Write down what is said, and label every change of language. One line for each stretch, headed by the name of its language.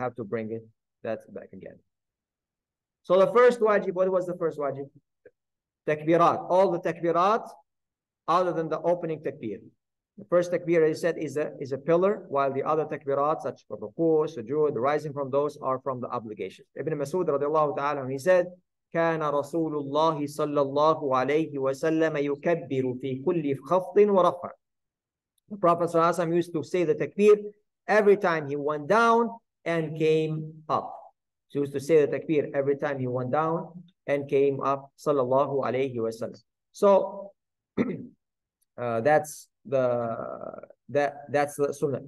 English: You have to bring it that back again. So the first wajib, what was the first wajib? Takbirat, all the takbirat other than the opening takbir. The first takbir, as you said, is a pillar, while the other takbirat, such as ruku', sujood, rising from those, are from the obligations. Ibn Mas'ud radiallahu ta'ala, he said,
Arabic: كان رسول الله صلى الله عليه وسلم يكبر في كل خفض ورفع.
English: The Prophet sallallahu alayhi wa sallam used to say the takbir every time he went down and came up. He used to say the takbir every time he went down and came up,
Arabic: صلى الله عليه وسلم.
English: So, that's the sunnah.